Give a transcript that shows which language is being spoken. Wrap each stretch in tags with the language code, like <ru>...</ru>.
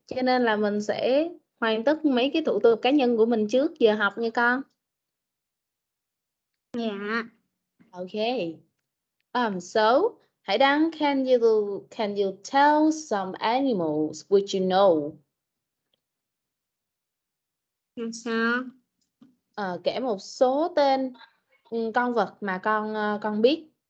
<vi>Cho nên là mình sẽ hoàn tất mấy cái thủ tục cá nhân của mình trước giờ học nha con.</vi> <en>Yeah. Okay. So, Hải Đăng, can you tell some animals which you know?</en> <vi>Sao? Kể một số tên con vật mà con biết.</vi>